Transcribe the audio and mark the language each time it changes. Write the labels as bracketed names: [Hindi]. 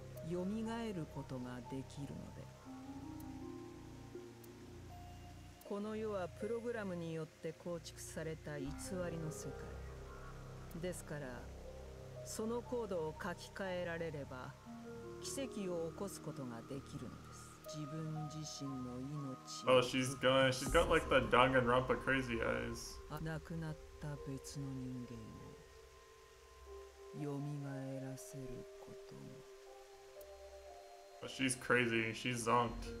[Japanese] 蘇ることができるので、この世はプログラムによって構築された偽りの世界ですから、そのコードを書き換えられれば奇跡を起こすことができるのです。自分自身の命を。 [English] Oh, she's got like the Danganronpa crazy eyes. [Japanese] 亡くなった別の人間を蘇らせることも。 [English] Oh, she's crazy. She's zonked.